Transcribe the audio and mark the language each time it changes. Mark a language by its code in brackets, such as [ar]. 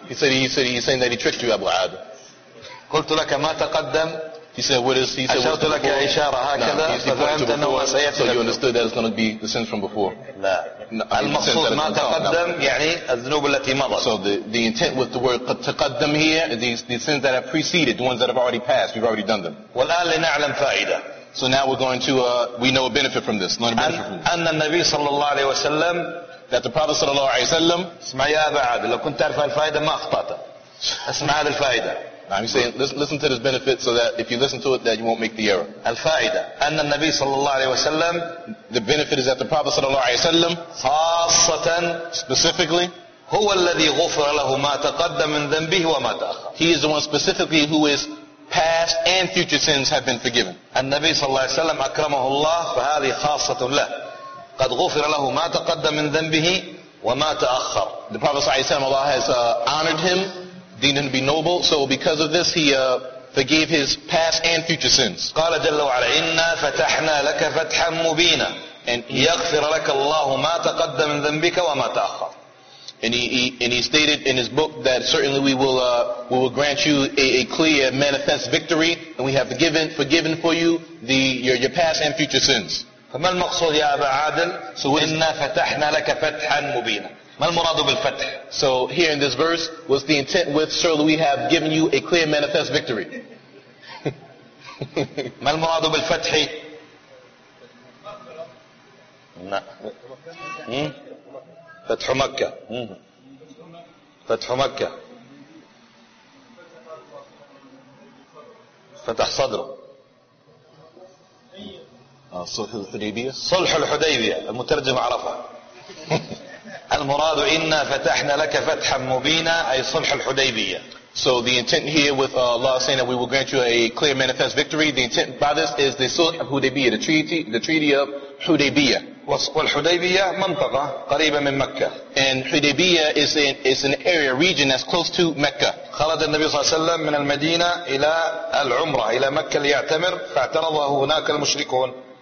[en] He said that he tricked you Abu Adil. [ar] قلت لك ما تقدم. [en] He said what is he said [ar] أشرت لك إشارة هكذا. [en] So you understood that it's going to be the sins from before. [ar] لا المقصود ما تقدم يعني الذنوب التي مضت. [en] So the intent with the word [ar] قد تقدم [en] here the sins that have preceded, the ones that have already passed, we've already done them. [ar] والآن لنعلم فائدة. [en] So now we're going to we know a benefit from this. Learn a benefit from this. [ar] أن النبي صلى الله عليه وسلم [en] that the Prophet [ar] صلى الله عليه وسلم اسمع يا أبا عادل لو كنت تعرف الفائدة ما أخطأت. اسمع هذا الفائدة. [en] I'm saying listen to this benefit so that if you listen to it that you won't make the error. [ar] الفائدة أن النبي صلى الله عليه وسلم [en] the benefit is that the Prophet [ar] صلى الله عليه وسلم خاصة [en] specifically [ar] هو الذي غفر له ما تقدم من ذنبه وما تأخر. [en] He is the one specifically who is past and future sins have been forgiven. [ar] النبي صلى الله عليه وسلم أكرمه الله فهذه خاصة له. قد غفر له ما تقدم من ذنبه وما تأخر. [en] The Prophet [ar] صلى الله عليه وسلم [en] Allah has honored him, deemed him to be noble. So because of this, he forgave his past and future sins. [ar] قال جل وعلا إنا فتحنا لك فتحا مبينا. يغفر لك الله ما تقدم من ذنبك وما تأخر. [en] And he stated in his book that certainly we will grant you a clear manifest victory, and we have forgiven for you your past and future sins. [ar] فما المقصود يا أبا عادل؟ إن فتحنا لك فتحا مبينا. ما المراد بالفتح؟ [en] So here in this verse was the intent with certainly we have given you a clear manifest victory. [ar] ما المراد بالفتح؟ فتح مكة. فتح مكة فتح صدره. صلح الحديبية. صلح الحديبية المترجم عرفه. المراد إنا فتحنا لك فتحا مبينا أي صلح الحديبية. [en] So the intent here with Allah saying that we will grant you a clear manifest victory, the intent by this is the Sulh of Hudaybiyah, the treaty of Hudaybiyah. [ar] والحديبيه منطقه قريبه من مكه. [en] And Hudaybiyah is an area region that's close to Mecca. [ar] خرج النبي صلى الله عليه وسلم من المدينه الى العمره الى مكه ليعتمر فاعترضه هناك المشركون.